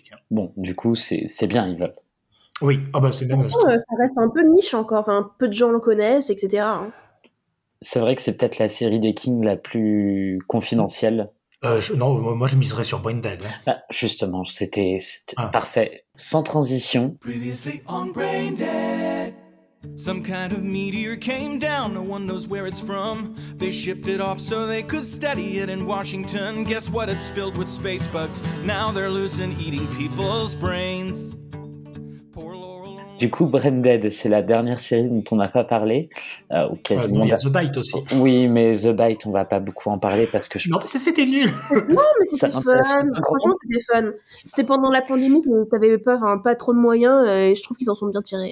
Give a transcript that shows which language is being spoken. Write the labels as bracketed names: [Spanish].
[French] Bon, du coup, c'est bien Evil. Oui, oh, c'est bien. Pourtant, ça reste un peu niche encore. Enfin, peu de gens le connaissent, etc. C'est vrai que c'est peut-être la série des Kings la plus confidentielle. Moi je miserais sur Brain Dead. Hein. Bah, justement, c'était parfait. Sans transition. [English] Previously on Brain Dead. Some kind of meteor came down, no one knows where it's from. They shipped it off so they could study it in Washington. Guess what, it's filled with space bugs. Now they're loose and eating people's brains. [French] Du coup, Brain Dead, c'est la dernière série dont on n'a pas parlé. Ou quasiment. Il y a The Bite aussi. Oui, mais The Bite, on ne va pas beaucoup en parler parce que je. Non, c'était nul. Non, mais c'était fun. Franchement, c'était fun. C'était pendant la pandémie, tu n'avais pas trop de moyens et je trouve qu'ils en sont bien tirés.